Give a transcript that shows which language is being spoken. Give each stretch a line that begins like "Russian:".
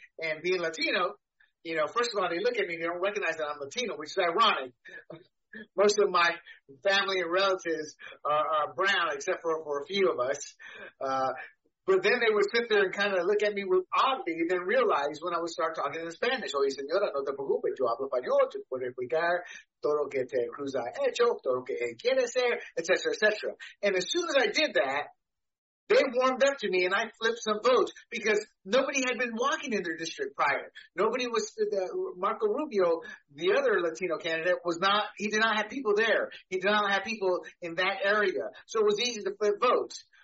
English: And being Latino, you know, first of all, they look at me, they don't recognize that I'm Latino, which is ironic. Most of my family and relatives are brown, except for a few of us. But then they would sit there and kind of look at me with oddly, and then realize when I would start talking in Spanish.
Spanish: Oye, señora, no te preocupes, yo hablo español, te puedo explicar todo lo que te Cruz ha hecho, todo lo que él quiere hacer, et cetera, et cetera.
English: And as soon as I did that, they warmed up to me, and I flipped some votes because nobody had been walking in their district prior. Nobody was – Marco Rubio, the other Latino candidate, was not – he did not have people there. He did not have people in that area. So it was easy to flip votes.